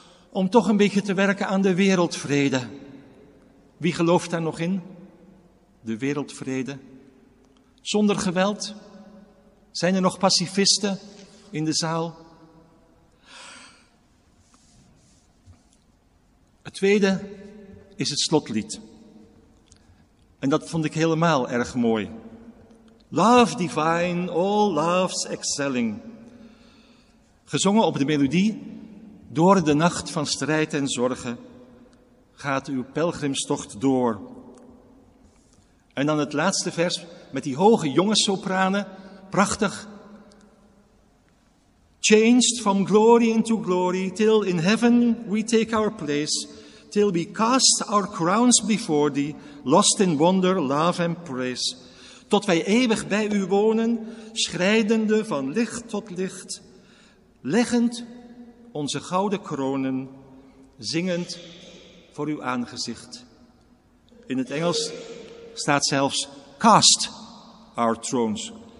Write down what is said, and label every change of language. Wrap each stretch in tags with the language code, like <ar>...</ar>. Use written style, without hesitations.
<nl>om toch een beetje te werken aan de wereldvrede. Wie gelooft daar nog in? De wereldvrede. Zonder geweld? Zijn er nog pacifisten in de zaal? Het tweede is het slotlied. En dat vond ik helemaal erg mooi.</nl> <en>Love divine, all loves excelling.</en> <nl>Gezongen op de melodie, door de nacht van strijd en zorgen, gaat uw pelgrimstocht door. En dan het laatste vers met die hoge jongenssopranen, prachtig.</nl> <en>Changed from glory into glory, till in heaven we take our place. Till we cast our crowns before thee, lost in wonder, love and praise.</en> <nl>Tot wij eeuwig bij u wonen, schrijdende van licht tot licht, leggend onze gouden kronen, zingend voor uw aangezicht. In het Engels staat zelfs</nl> <en>cast our thrones.</en>